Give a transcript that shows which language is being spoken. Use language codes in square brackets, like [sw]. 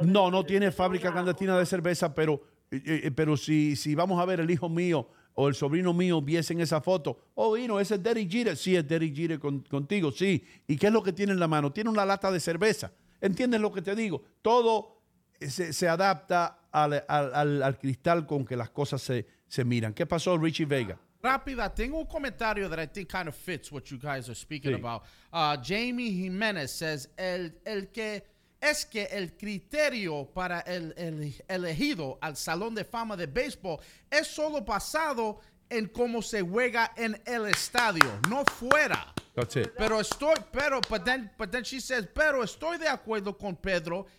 [es] No tiene fábrica clandestina de cerveza, pero si vamos a ver el hijo mío o el sobrino mío viesen esa foto. Ese es Derek Jeter. Sí, es Derek Jeter contigo, sí. ¿Y qué es lo que tiene en la mano? Tiene una lata de cerveza. ¿Entiendes lo que te digo? Todo se adapta al cristal con que las cosas se miran. ¿Qué pasó, Richie Vega? [en] Rápida, tengo un comentario that I think kind of fits what you guys are speaking about. Jamie Jimenez says, [es] el que es que el criterio para el elegido al Salón de Fama de Béisbol es solo basado en cómo se juega en el estadio, no fuera. [en] That's it. [es] Pero estoy de acuerdo con Pedro.